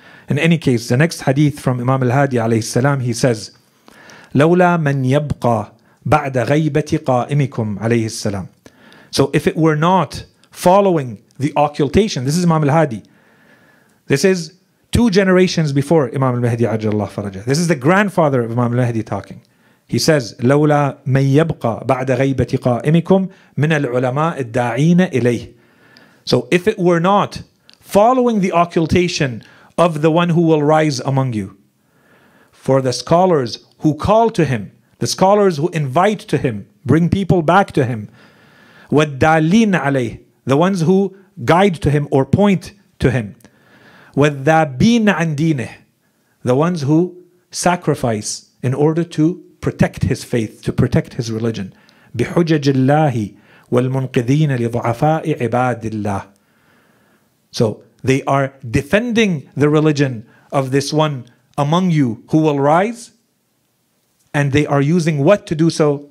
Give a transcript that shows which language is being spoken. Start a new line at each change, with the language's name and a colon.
English: In any case, the next hadith from Imam al-Hadi alayhi salam, he says,
Arabic: لولا من يبقى بعد غيبة قائمكم عليه السلام.
English: So if it were not following the occultation, this is Imam al-Hadi. This is 2 generations before Imam al-Mahdi ajallah faraja. This is the grandfather of Imam al-Mahdi talking. He says,
Arabic: لولا من يبقى بعد غيبة قائمكم من العلماء الداعين إليه.
English: So if it were not following the occultation of the one who will rise among you, for the scholars who call to him, the scholars who invite to him, bring people back to him,
Arabic: وَالدَّالِينَ عَلَيْهِ
English: The ones who guide to him or point to him,
Arabic: وَالذَّابِينَ عَنْ دِينِهِ
English: The ones who sacrifice in order to protect his faith, to protect his religion,
Arabic: بِحُجَجِ اللَّهِ وَالْمُنْقِذِينَ لِضُعَفَاءِ عِبَادِ اللَّهِ
English: So they are defending the religion of this one among you who will rise, and they are using what to do so?